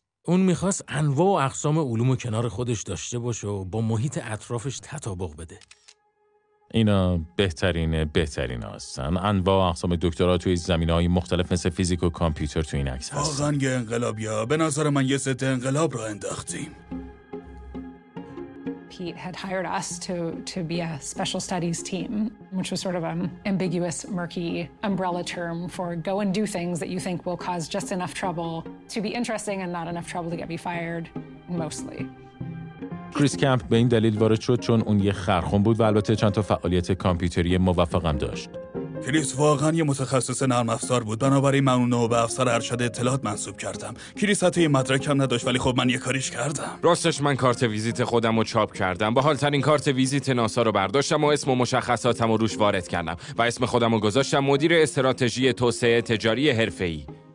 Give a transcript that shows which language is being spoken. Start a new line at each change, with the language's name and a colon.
Persian: اون میخواست انواع و اقسام علوم و کنار خودش داشته باشه و با محیط اطرافش تطابق بده. اینا بهترین هستن. انواع و اقسام دکترا توی زمینه‌های مختلف مثل فیزیک و کامپیوتر توی این عکس هست. واقعاً یه انقلابی ها. به نظر من یه ست انقلاب رو انداختیم.
English: Pete had hired us to be a special studies team, which was sort of an ambiguous, murky umbrella term for go and do things that you think will cause just enough trouble to be interesting and not enough trouble to get me fired, mostly.
Persian: کریس کمپ به این دلیل وارد شد چون اون یه خرخون بود و البته چند تا فعالیت کامپیوتری موفقم داشت. کریس واقعا یه متخصص نرم افزار بود، بنابراین من اونو به افسر ارشد اطلاعات منصوب کردم. کریس حتی یه مدرک هم نداشت ولی خب من یه کاریش کردم. راستش من کارت ویزیت خودم رو چاپ کردم، با حالترین کارت ویزیت ناسا رو برداشتم و اسم و مشخصاتم رو روش وارد کردم و اسم خودم رو گذاشتم مدیر استراتژی توسعه تجاری حرفه‌ای.